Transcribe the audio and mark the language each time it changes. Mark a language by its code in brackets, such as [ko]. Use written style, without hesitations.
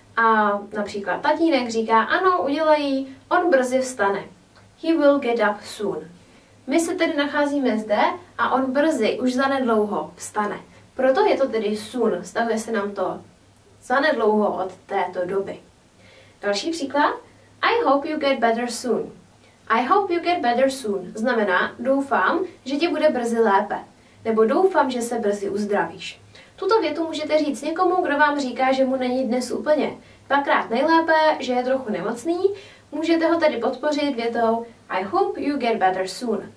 [cs] A například tatínek říká, ano, udělají, on brzy vstane. [en] He will get up soon. [cs] My se tedy nacházíme zde a on brzy, už zanedlouho, vstane. Proto je to tedy soon, stavuje se nám to zanedlouho od této doby. Další příklad. [en] I hope you get better soon. I hope you get better soon [cs] znamená doufám, že ti bude brzy lépe. Nebo doufám, že se brzy uzdravíš. Tuto větu můžete říct někomu, kdo vám říká, že mu není dnes úplně. Dvakrát nejlépe, že je trochu nemocný. Můžete ho tedy podpořit větou [en] I hope you get better soon.